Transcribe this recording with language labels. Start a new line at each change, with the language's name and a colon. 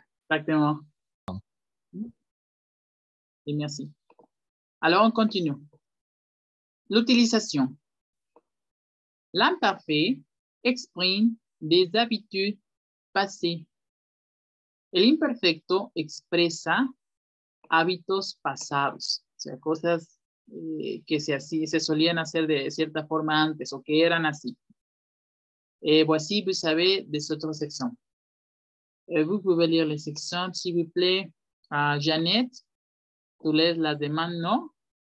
French: Exactement.
Spanish: Dime así.
French: Alors, on continue. L'utilisation. L'imparfait exprime des habitudes passées.
Spanish: El imperfecto expresa hábitos pasados, o sea, cosas que se solían hacer de cierta forma antes o que eran así.
French: Voici, vous savez, des autres sections. Vous pouvez lire les sections, s'il vous plaît.
Spanish: Janet, tu lees las demás, ¿no?